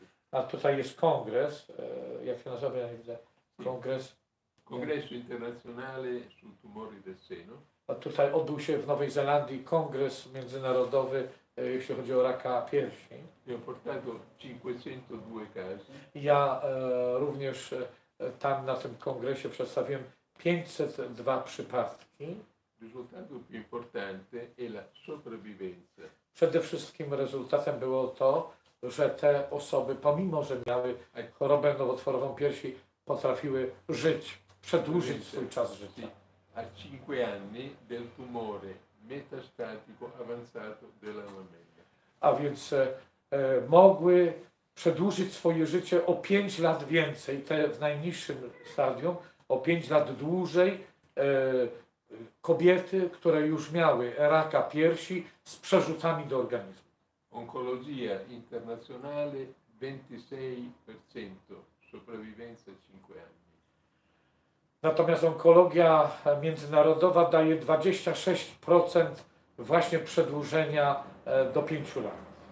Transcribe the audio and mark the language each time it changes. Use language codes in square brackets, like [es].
[pl] A tutaj jest kongres, jak się nazywa, ja nie widzę, kongres. [it] Congresso internazionale sui tumori del seno. [pl] A tutaj odbył się w Nowej Zelandii kongres międzynarodowy, jeśli chodzi o raka piersi. [it] Ho portato 502 casi. [pl] Ja również tam na tym kongresie przedstawiłem 502 przypadki. [it] Risultato più importante è la sopravvivenza. [pl] Przede wszystkim rezultatem było to, że te osoby, pomimo że miały chorobę nowotworową piersi, potrafiły żyć, przedłużyć swój czas życia. [it] A 5 anni del tumore metastatico avanzato della mammella. [pl] A więc mogły przedłużyć swoje życie o 5 lat więcej, te w najniższym stadium, o 5 lat dłużej kobiety, które już miały raka piersi z przerzutami do organizmu. [it] Oncologia internazionale 26%, sopravvivenza 5 anni. [pl] Natomiast onkologia międzynarodowa daje 26% właśnie przedłużenia do 5 lat.